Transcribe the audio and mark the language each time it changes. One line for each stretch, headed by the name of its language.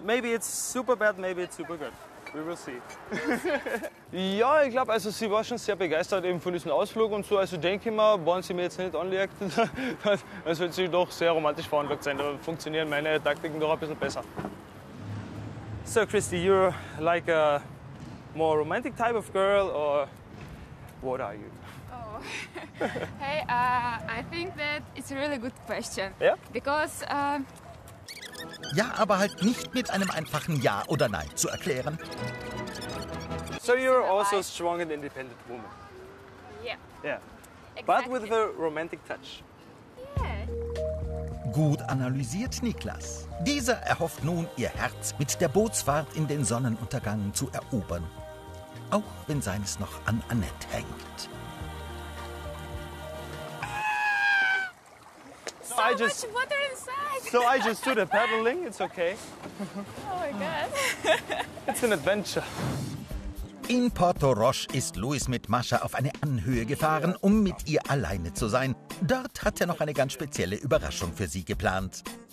English: Maybe it's super bad, maybe it's super good. We will see.
German: Ja, ich glaube, also sie war schon sehr begeistert eben von diesem Ausflug und so. Also denke ich mal, wollen sie mir jetzt nicht anlegen, dann wird sie doch sehr romantisch veranlagt sein. Da funktionieren meine Taktiken doch ein bisschen besser.
English: So, Christy, you're like a more romantic type of girl, or what are you? Hey, I think that it's a really good question. Yeah? Because,
German: ja, aber halt nicht mit einem einfachen Ja oder Nein zu erklären.
English: So you're also a strong and independent woman. Yeah. Yeah. Exactly. But with a romantic touch.
German: Gut analysiert Niklas. Dieser erhofft nun, ihr Herz mit der Bootsfahrt in den Sonnenuntergang zu erobern. Auch wenn seines noch an Annette hängt.
English: So I just, much water inside. So I just do the paddling, it's okay. Oh my god. It's an adventure.
German: In Porto Roche ist Luis mit Masha auf eine Anhöhe gefahren, um mit ihr alleine zu sein. Dort hat er noch eine ganz spezielle Überraschung für sie geplant.